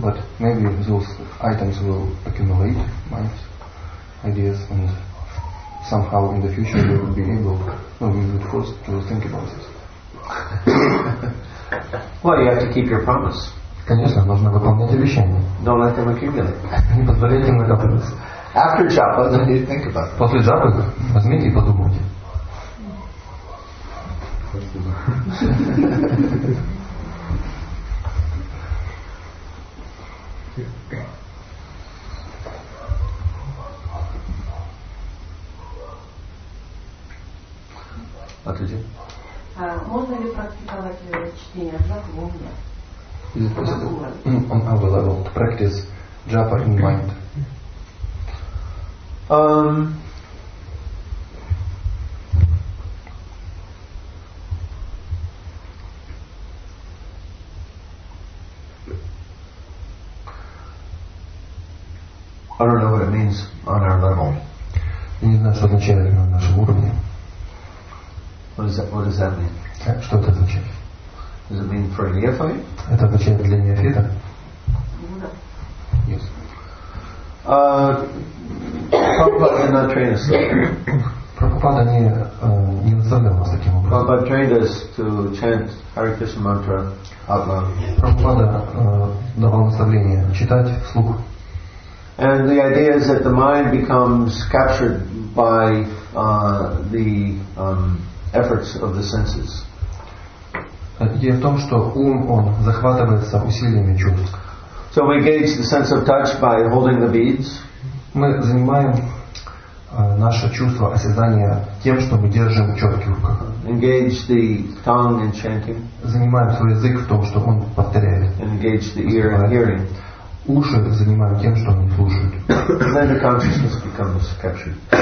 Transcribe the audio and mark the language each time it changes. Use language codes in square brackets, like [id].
[en] But maybe those items will accumulate minds, ideas, and somehow in the future you will be able, or you will be forced to think about this. Well, you have to keep your promise. [ru] Конечно, нужно выполнять обещание. [en] Don't let them accumulate. [ru] Не позволяйте им накапливаться. [en] After japa, then you think about it. [ru] После джапы возьмите и подумайте. Ответи. Можно ли практиковать чтение джапы в уме? [en] Is it possible on our level to practice japa in mind? I don't know what it means on our level. [ru] Я не знаю, что означает на нашем уровне. [en] What does that mean? [ru] Что это означает? [en] Does it mean for neophyte? [ru] Это означает для неофита? [en] Yes. Prabhupada did not train us. [ru] Prabhupada не наставлял нас таким образом. [en] Prabhupada trained us to chant Hare Krishna mantra out loud. [ru] Prabhupada давал наставление читать вслух. [en] And the idea is that the mind becomes captured by the efforts of the senses. [ru] Идея в том, что ум, он захватывается усилиями чувств. [en] So we gauge the sense of touch by holding the beads. [ru] Мы занимаем наше чувство осязания тем, что мы держим чётки в руках. [en] Engage the tongue in chanting. [ru] Занимаем свой язык в том, что он повторяет. [en] Engage the ear in hearing. [ru] Уши занимаем тем, что они слушают. [en] Then the consciousness becomes captured.